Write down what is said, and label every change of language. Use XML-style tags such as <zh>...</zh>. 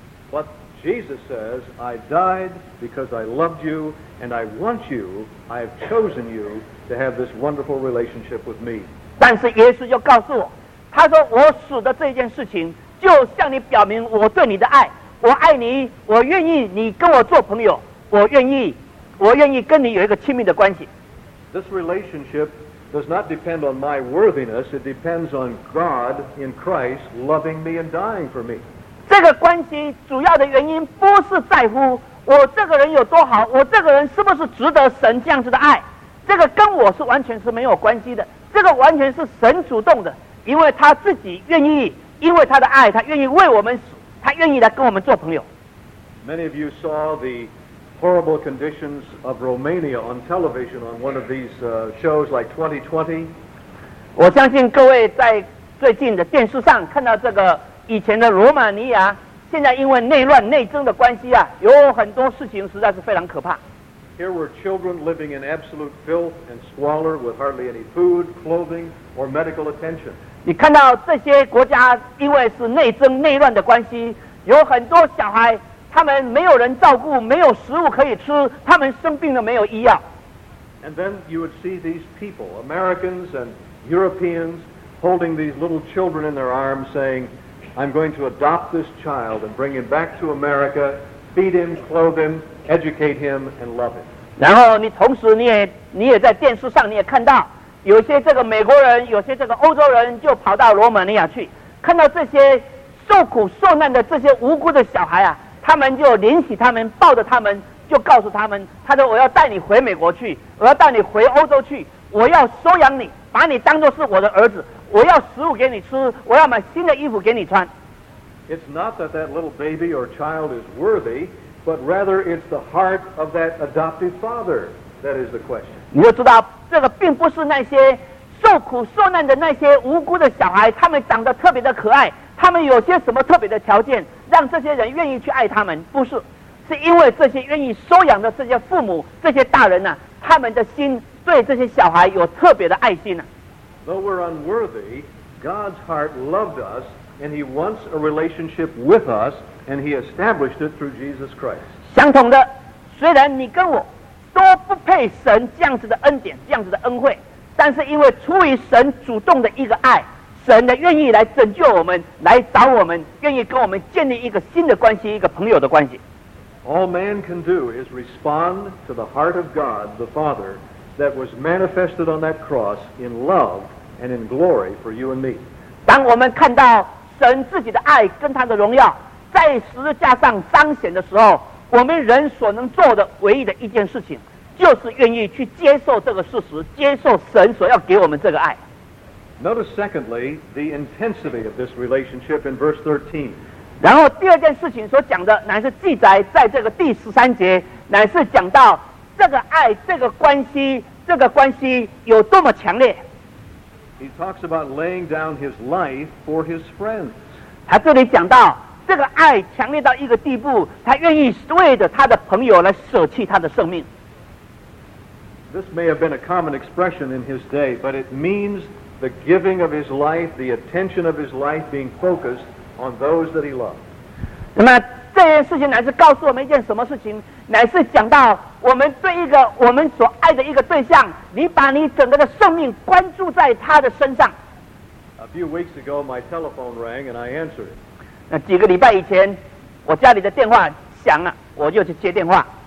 <en>But Jesus says, I died because I loved you and I want you, I have chosen you to have this wonderful relationship with me.</en> <zh>但是耶稣就告诉我，他说我死的这件事情就向你表明我对你的爱，我爱你，我愿意你跟我做朋友，我愿意跟你有一个亲密的关系。</zh> <en>This relationship does not depend on my worthiness, it depends on God in Christ loving me and dying for me.</en> <zh>这个关系主要的原因不是在乎我这个人有多好，我这个人是不是值得神这样子的爱，这个跟我是完全是没有关系的，这个完全是神主动的，因为他自己愿意，因为他的爱，他愿意为我们死，他愿意来跟我们做朋友。</zh> <en>Many of you saw the horrible conditions of Romania on television on one of these shows like 2020.</en> <zh>我相信各位在最近的电视上看到这个以前的罗马尼亚，现在因为内乱内争的关系啊，有很多事情实在是非常可怕。</zh> <en>Here were children living in absolute filth and squalor with hardly any food, clothing or medical attention.</en> <zh>你看到这些国家因为是内争内乱的关系，有很多小孩他们没有人照顾，没有食物可以吃，他们生病了没有医药。</zh> <en>And then you would see these people, Americans and Europeans, holding these little children in their arms saying, I'm going to adopt this child and bring him back to America, feed him, clothe him, educate him, and love him.</en> <zh>然后你同时你也在电视上你也看到，有些这个美国人，有些这个欧洲人就跑到罗马尼亚去，看到这些受苦受难的这些无辜的小孩啊，他们就联系他们，抱着他们，就告诉他们，他说我要带你回美国去，我要带你回欧洲去，我要收养你，把你当作是我的儿子，我要食物给你吃，我要买新的衣服给你穿。</zh> <en>It's not that that little baby or child is worthy, but rather it's the heart of that adoptive father that is the question.</en> <zh>你就知道这个并不是那些受苦受难的那些无辜的小孩，他们长得特别的可爱，他们有些什么特别的条件让这些人愿意去爱他们，不是，是因为这些愿意收养的这些父母，这些大人啊，他们的心对这些小孩有特别的爱心啊。</zh> <en>Though we're unworthy, God's heart loved us, and he wants a relationship with us, and he established it through Jesus Christ.</en> <zh>相同的，虽然你跟我都不配神这样子的恩典，这样子的恩惠，但是因为出于神主动的一个爱，神的愿意来拯救我们，来找我们，愿意跟我们建立一个新的关系，一个朋友的关系。</zh> <en>All man can do is respond to the heart of God the Father that was manifested on that cross in love and in glory for you and me.</en> <zh>当我们看到神自己的爱跟他的荣耀在十字架上彰显的时候，我们人所能做的唯一的一件事情就是愿意去接受这个事实，接受神所要给我们这个爱。</zh> <en>Notice secondly, the intensity of this relationship in verse 13.</en> <zh>然后第二件事情所讲的乃是记载在这个第十三节，乃是讲到这个爱，这个关系有多么强烈。</zh> <en>He talks about laying down his life for his friends.</en> <zh>他这里讲到这个爱强烈到一个地步，他愿意为着他的朋友来舍弃他的生命。</zh> <en>This may have been a common expression in his day, but it means the giving of his life, the attention of his life being focused on those that he loved.</en> <zh>那么这件事情乃是告诉我们一件什么事情，乃是讲到我们对一个我们所爱的一个对象，你把你整个的生命关注在他的身上。</zh> <en>A few weeks ago, my telephone rang and I answered it.</en> <zh>那几个礼拜以前，我家里的电话响了，我就去接电话。</zh>